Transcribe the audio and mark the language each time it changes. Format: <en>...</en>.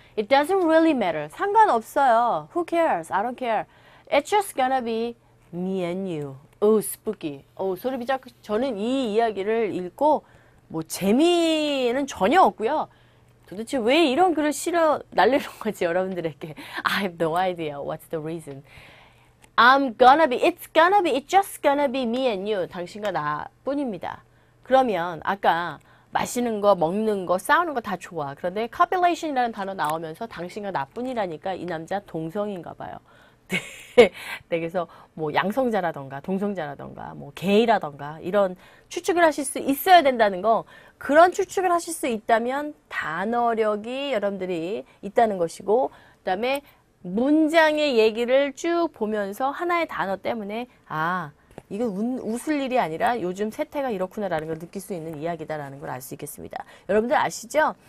<en>It doesn't really matter.</en> <ko>상관없어요.</ko> <en>Who cares? I don't care. It's just gonna be me and you. Oh spooky. Oh</en> <ko>소름이 짝. 저는 이 이야기를 읽고 뭐 재미는 전혀 없고요. 도대체 왜 이런 글을 실어 날리는 거지 여러분들에게.</ko> <en>I have no idea what's the reason. I'm gonna be, it's gonna be, it's just gonna be me and you.</en> <ko>당신과 나 뿐입니다. 그러면 아까 마시는 거, 먹는 거, 싸우는 거 다 좋아. 그런데 copulation이라는 단어 나오면서 당신과 나 뿐이라니까 이 남자 동성인가 봐요. 네, 그래서 뭐 양성자라던가 동성자라던가 뭐 게이라던가 이런 추측을 하실 수 있어야 된다는 거 그런 추측을 하실 수 있다면 단어력이 여러분들이 있다는 것이고 그 다음에 문장의 얘기를 쭉 보면서 하나의 단어 때문에 아 이건 웃을 일이 아니라 요즘 세태가 이렇구나라는 걸 느낄 수 있는 이야기다라는 걸 알 수 있겠습니다. 여러분들 아시죠?</ko>